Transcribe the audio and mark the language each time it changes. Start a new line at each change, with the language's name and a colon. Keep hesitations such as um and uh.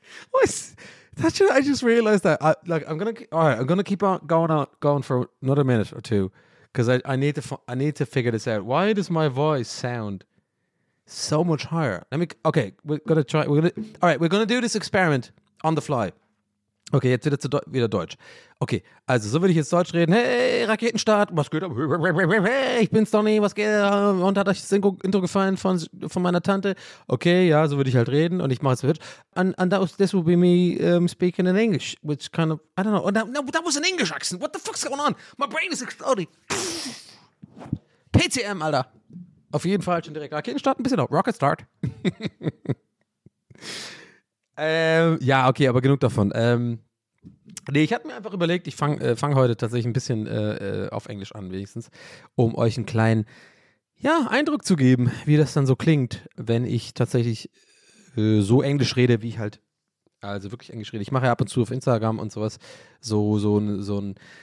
English: Why is- that should, I just realized that. I, like I'm gonna all right. I'm gonna keep on going on going for another minute or two because I, I need to fi- I need to figure this out. Why does my voice sound so much higher? Let me. Okay, we're gonna try. We're gonna all right. We're gonna do this experiment on the fly.
German: Okay, jetzt wieder, zu Deu wieder Deutsch. Okay, also so würde ich jetzt Deutsch reden. Hey, Raketenstart, was geht ab? Ich bin's Donny, was geht ab? Und hat euch das Intro Intro gefallen von, von meiner Tante? Okay, ja, so würde ich halt reden und ich mache es mit.
English: And, and that was, this will be me um, speaking in English, which kind of, I don't know. Oh, no, no, that was an English accent. What the fuck's going on? My brain is exploding. PCM,
German: Alter. Auf jeden Fall schon direkt Raketenstart, ein bisschen auf.
English: Rocket Start.
German: Ähm, ja, okay, aber genug davon. Ähm, nee, ich hatte mir einfach überlegt, ich fange äh, fang heute tatsächlich ein bisschen äh, äh, auf Englisch an, wenigstens, um euch einen kleinen ja, Eindruck zu geben, wie das dann so klingt, wenn ich tatsächlich äh, so Englisch rede, wie ich halt, also wirklich Englisch rede. Ich mache ja ab und zu auf Instagram und sowas so, so, ein- so ein,